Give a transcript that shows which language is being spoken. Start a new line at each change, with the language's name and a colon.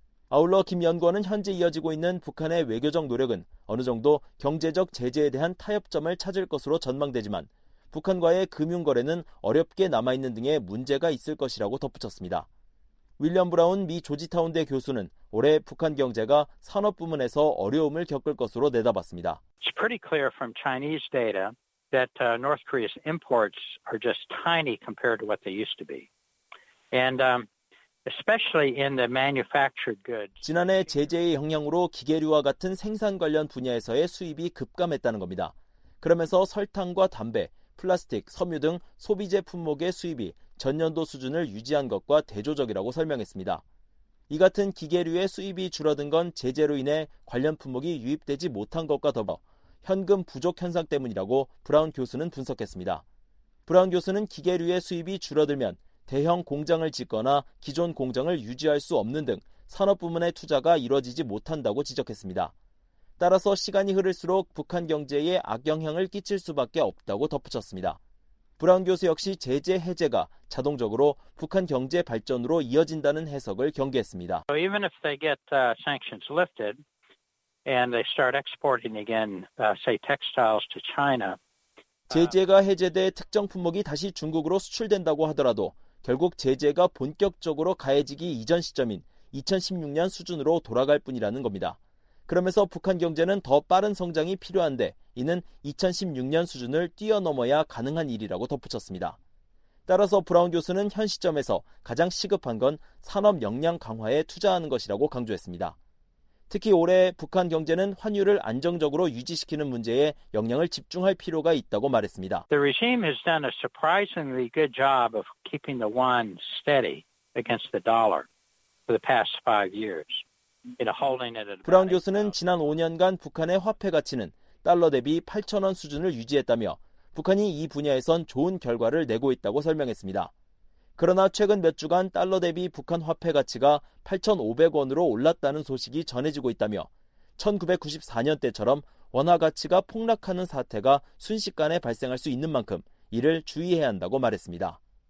Korean: 아울러 김 연구원은 현재 이어지고 있는 북한의 외교적 노력은 어느 정도 경제적 제재에 대한 타협점을 찾을 것으로 전망되지만 북한과의 금융거래는 어렵게 남아있는 등의 문제가 있을 것이라고 덧붙였습니다. 윌리엄 브라운 미 조지타운대 교수는 올해 북한 경제가 산업 부문에서 어려움을 겪을 것으로 내다봤습니다.
English: It's pretty clear from Chinese data that North Korea's imports are just tiny compared to what they used to be. And especially in the manufactured goods.
Korean: 지난해 제재의 영향으로 기계류와 같은 생산 관련 분야에서의 수입이 급감했다는 겁니다. 그러면서 설탕과 담배, 플라스틱, 섬유 등 소비재 품목의 수입이 전년도 수준을 유지한 것과 대조적이라고 설명했습니다. 이 같은 기계류의 수입이 줄어든 건 제재로 인해 관련 품목이 유입되지 못한 것과 더불어 현금 부족 현상 때문이라고 브라운 교수는 분석했습니다. 브라운 교수는 기계류의 수입이 줄어들면 대형 공장을 짓거나 기존 공장을 유지할 수 없는 등 산업 부문의 투자가 이뤄지지 못한다고 지적했습니다. 따라서 시간이 흐를수록 북한 경제에 악영향을 끼칠 수밖에 없다고 덧붙였습니다. 브라운 교수 역시 제재 해제가 자동적으로 북한 경제 발전으로 이어진다는 해석을 경계했습니다.
English: So even if they get sanctions lifted and they start exporting again, say textiles to China.
Korean: 제재가 해제돼 특정 품목이 다시 중국으로 수출된다고 하더라도 결국 제재가 본격적으로 가해지기 이전 시점인 2016년 수준으로 돌아갈 뿐이라는 겁니다. 그러면서 북한 경제는 더 빠른 성장이 필요한데 이는 2016년 수준을 뛰어넘어야 가능한 일이라고 덧붙였습니다. 따라서 브라운 교수는 현 시점에서 가장 시급한 건 산업 역량 강화에 투자하는 것이라고 강조했습니다. 특히 올해 북한 경제는 환율을 안정적으로 유지시키는 문제에 역량을 집중할 필요가 있다고 말했습니다.
English: The regime has done a surprisingly good job of keeping the won steady against the dollar for the past five years.
Korean: 브라운 교수는 지난 5년간 북한의 화폐 가치는 달러 대비 8천 원 수준을 유지했다며 북한이 이 분야에선 좋은 결과를 내고 있다고 설명했습니다. 그러나 최근 몇 주간 달러 대비 북한 화폐 가치가 8,500원으로 올랐다는 소식이 전해지고 있다며 1994년 때처럼 원화 가치가 폭락하는 사태가 순식간에 발생할 수 있는 만큼 이를 주의해야 한다고 말했습니다.